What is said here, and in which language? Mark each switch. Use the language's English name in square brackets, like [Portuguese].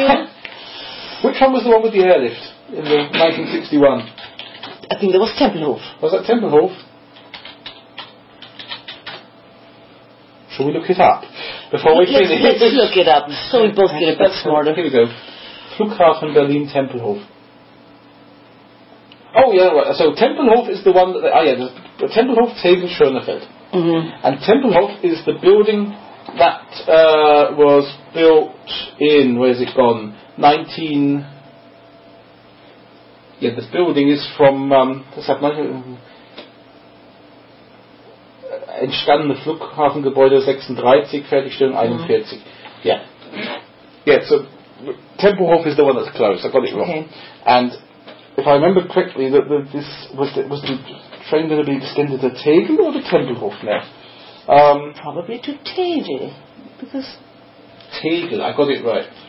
[English] Which one was the one with the airlift in the 1961? I think that was Tempelhof. Was that Tempelhof? Shall we look it up before we finish? Let's look it up so we both get a bit smarter. Here we go. Flughafen Berlin Tempelhof. Oh, yeah, right. So Tempelhof is the one that... the Tempelhof, Tegel, Schönefeld. Mm-hmm. And Tempelhof is the building that was built in... Where has it gone? This building is from... Does that 19... [German] Entstandene Flughafengebäude 36, Fertigstellung 41. [English] Mm-hmm. Yeah. Yeah, so Tempelhof is the one that's closed. I got it wrong. Okay. And... If I remember correctly, was the train going to be extended to Tegel or to Tempelhof now? Probably to Tegel, because... Tegel, I got it right.